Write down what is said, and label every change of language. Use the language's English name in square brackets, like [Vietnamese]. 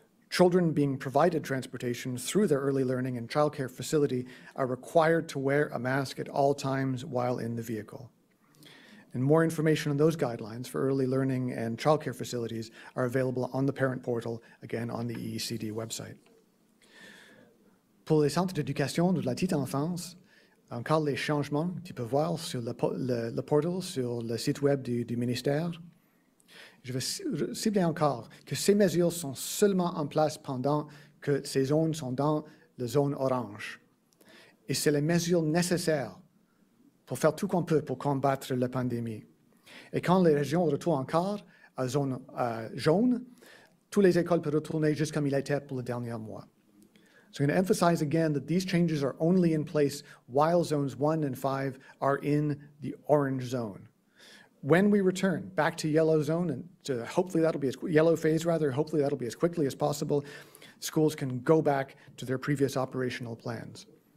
[English] Children being provided transportation through their early learning and childcare facility are required to wear a mask at all times while in the vehicle. And more information on those guidelines for early learning and childcare facilities are available on the parent portal, again, on the EECD website. [French] Pour les centres d'éducation de la petite enfance, encore les changements, tu peux voir sur le portal, sur le site web du ministère. Je vais cibler encore que ces mesures sont seulement en place pendant que ces zones sont dans la zone orange. Et c'est les mesures nécessaires pour faire tout qu'on peut pour combattre la pandémie. Et quand les régions retournent encore à zone jaune, toutes les écoles peuvent retourner jusqu'à militaire pour le dernier mois. [English] So I'm going to emphasize again that these changes are only in place while zones 1 and 5 are in the orange zone. When we return back to yellow zone, and to hopefully that'll be as yellow phase rather, hopefully that'll be as quickly as possible, schools can go back to their previous operational plans.